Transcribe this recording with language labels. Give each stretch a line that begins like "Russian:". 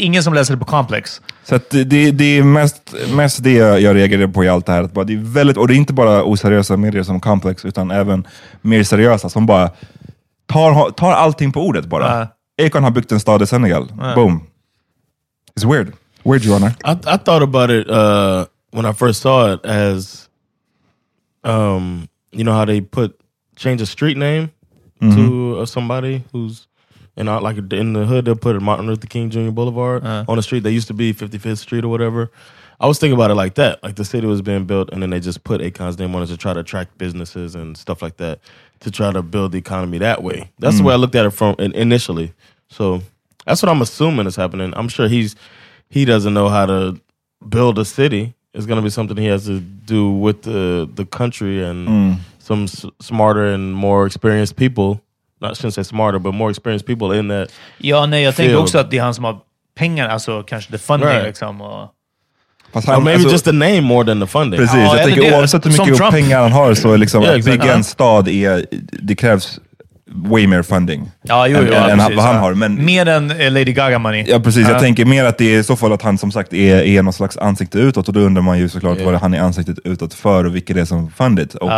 Swedish: Ingen som läser det på Complex. Så att det är mest det jag reagerar på i allt det här. Att bara, det är väldigt, och det är inte bara oseriösa medier som Complex, utan även mer seriösa som bara tar allting på ordet bara. Akon har byggt en stad i Senegal.
English: Boom. It's weird. Weird, Joanna. I thought about it when I first saw it as, you know how they change a street name to somebody who's, and I, like in the hood, they'll put it Martin Luther King Jr. Boulevard on the street. They used to be 55th Street or whatever. I was thinking about it like that. Like the city was being built and then they just put Akon's name on it to try to attract businesses and stuff like that to try to build the economy that way. That's the way I looked at it from initially. So that's what I'm assuming is happening. I'm sure he doesn't know how to build a city. It's going to be something he has to do with the country and some smarter and more experienced people. Not shouldn't say smarter, but more experienced people in that.
Swedish: Ja, nej, jag tänker också att det är han som har pengar, alltså kanske
English: the funding, right.
Swedish: Liksom. Fast han,
English: maybe
Swedish: alltså,
English: just the name more than the funding.
Swedish: Precis, jag tänker oavsett hur mycket Trump. Pengar han har, så liksom att bygga en stad i, det krävs way mer funding. Ja, än vad han har. Men, mer än Lady Gaga money. Ja, precis. Jag tänker mer att det är så fall att han som sagt är någon slags ansikte utåt, och då undrar man ju såklart vad han är ansiktet utåt för och vilket det är som fundit.